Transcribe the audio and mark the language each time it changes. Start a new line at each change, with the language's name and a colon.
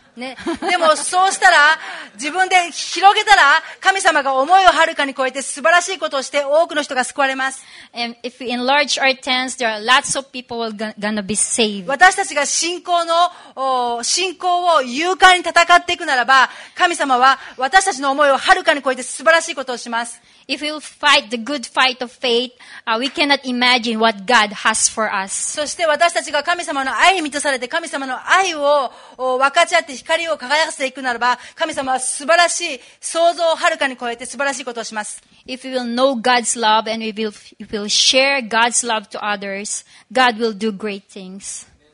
Japanese: ね、でもそうしたら自分で広げたら神様が思いをはるかに超えて素晴らしいことをして多くの人が救われます。
English: And if we enlarge our tents, there are lots of people gonna be saved.
Japanese: 私たちが信仰を勇敢に戦っていくならば神様は私たちの思いをはるかに超えて素晴らしいことをします。
English: If we fight the good fight of faith, we cannot imagine what God has for us.
Japanese: そして私たちが神様の愛に満たされて神様の愛を分かち合って光を輝かせていくならば、神様は素晴らしい想像をはるかに超えて素晴らしいことをします。
English: If we will know God's love and we will share God's love to others, God will do great things.